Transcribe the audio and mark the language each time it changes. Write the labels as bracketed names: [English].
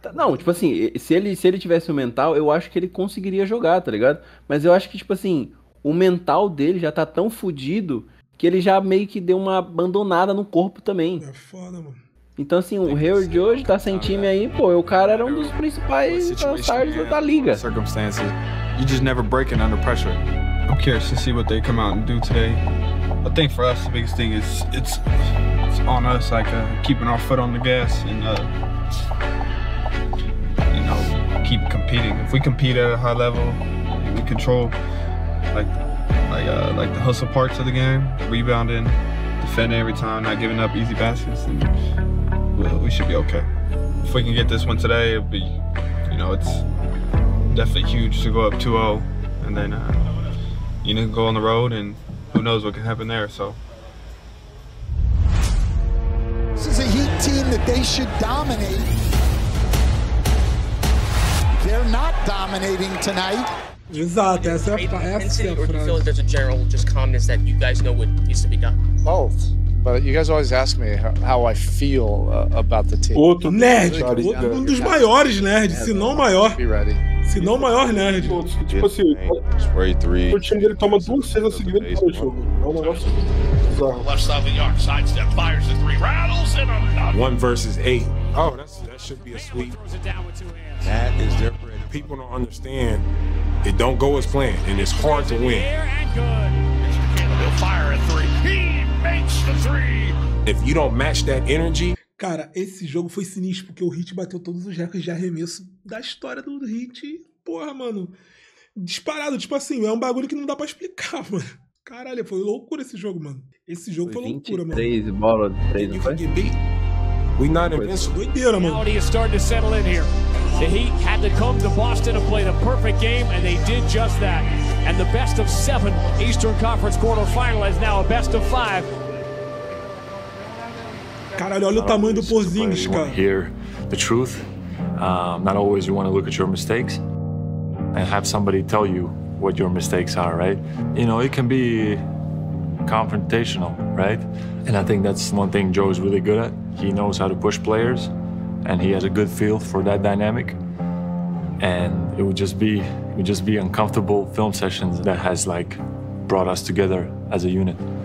[Portuguese] Não, tipo assim, se ele tivesse o mental, eu acho que ele conseguiria jogar, tá ligado? Mas eu acho que, tipo assim, o mental dele já tá tão fodido... Que ele já meio que deu uma abandonada no corpo também. É foda, mano. Então, assim, o Hayward de hoje tá sem time aí, pô. O cara era um dos principais stars da liga. [English] Circumstances. You just never breaking under pressure. I'm curious to see what they come out and do today. I think for us, the biggest thing is it's on us, like, keeping our foot on the gas and, you know, keep competing. If we compete at a high level, we control, like the hustle parts of the game, rebounding, defending every time, not giving up easy baskets, and we should be okay. If we can get this one today, it'd be, you know, it's definitely huge to go up 2-0, and then, you know, go on the road, and who knows what can happen there, so. This is a Heat team that they should dominate. They're not dominating tonight. [Portuguese] Exato, essa é a frase. [English] There's a general just calmness that you guys know what needs to be done. Both. But you guys always ask me how I feel about the team. [Portuguese] Outro nerd, um dos maiores nerds, se não o maior. Se não o maior nerd. Tipo assim, o time dele toma duas cestas seguidas para o jogo. [English] Left side of the arc, sidestep, fires the three, rattles, and another. One versus eight. Oh, that should be a sweep. That is different. People don't understand. It don't go as planned, and it's hard to win. He'll fire a three. He makes the three. If you don't match that energy... [Portuguese] Cara, esse jogo foi sinistro, porque o Heat bateu todos os recordes de arremesso da história do Heat. Porra, mano. Disparado, tipo assim, é um bagulho que não dá pra explicar, mano. Caralho, foi loucura esse jogo, mano. Esse jogo foi loucura, mano. 23 bolas, 3, não foi? [English] We not invincible. [Portuguese] Doideira, mano. [English] Reality is starting to settle in here. The Heat had to come to Boston to play the perfect game, and they did just that. And the best of seven Eastern Conference quarterfinal is now a best of five. [Portuguese] Caralho, olha o tamanho do Porzingis, cara. [English] Hear the truth. Not always you want to look at your mistakes and have somebody tell you what your mistakes are, right? You know, it can be confrontational, right? And I think that's one thing Joe is really good at. He knows how to push players. And he has a good feel for that dynamic. And it would just be uncomfortable film sessions that has, like, brought us together as a unit.